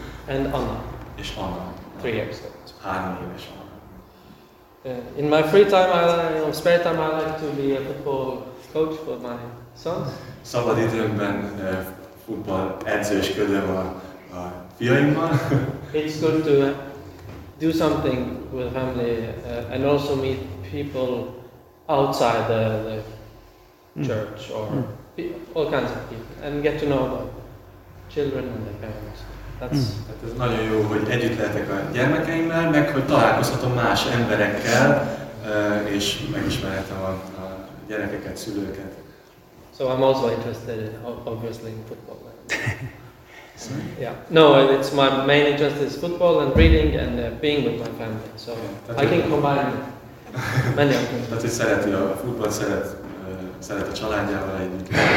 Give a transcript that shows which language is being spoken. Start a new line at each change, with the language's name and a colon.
English: And Anna.
Hungarian: És Anna.
English: 3 years old.
Hungarian: 3 éves.
English: In my free time, I like, spare time, I like to be a football coach for my sons.
Hungarian: Szabad időmben futball edzősködöm a fiaimmal.
English: It's good to do something with family and also meet people outside the church or all kinds of people and get to know the children and their parents.
Hungarian: Hát ez nagyon jó, hogy együtt lehetek a gyermekeimmel, meg hogy találkozhatom más emberekkel, és megismerhetem a gyerekeket, szülőket.
English: So I'm also interested in, obviously, in football. Sorry? Yeah. No, it's my main interest is football and reading and being with my family. So yeah, I can combine many of them.
Hungarian: Tehát, hogy szereti a futballt, szeret a családjával együtt.